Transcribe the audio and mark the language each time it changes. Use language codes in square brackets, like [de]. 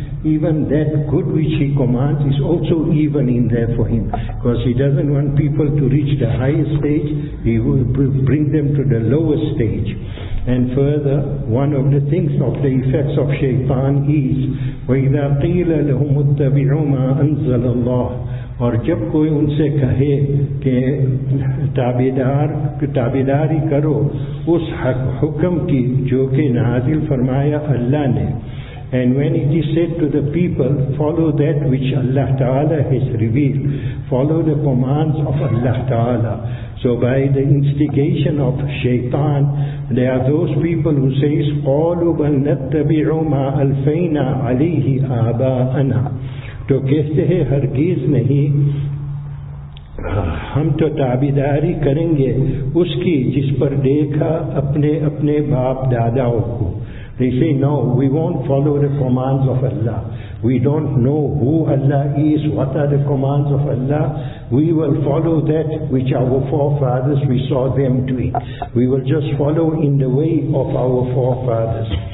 [en] Even that good which he commands is also evil in there for him, because he doesn't want people to reach the highest stage, he will bring them to the lowest stage. And further, one of the things of the effects of shaitan is, [ar] وَإِذَا قِيلَ لَهُمُ اتَّبِعُوا مَا أَنزَلَ اللَّهُ. [ur] اور جب کوئی ان سے کہے کہ تابعداری کرو اس حکم کی جو کہ نازل فرمایا اللہ نے. [en] And when it is said to the people, follow that which Allah Ta'ala has revealed, follow the commands of Allah Ta'ala. So by the instigation of shaitan, there are those people who say, [ar] قَالُوا بَلْ نَتَّبِعُ مَا أَلْفَيْنَا عَلَيْهِ آبَاءَنَا. [ur] تو کہتے ہیں ہرگز نہیں, ہم تو تابعداری کریں گے اس کی جس پر دیکھا اپنے باپ داداؤں کو. [en] They say, no, we won't follow the commands of Allah. We don't know who Allah is, what are the commands of Allah. We will follow that which our forefathers, we saw them doing. We will just follow in the way of our forefathers.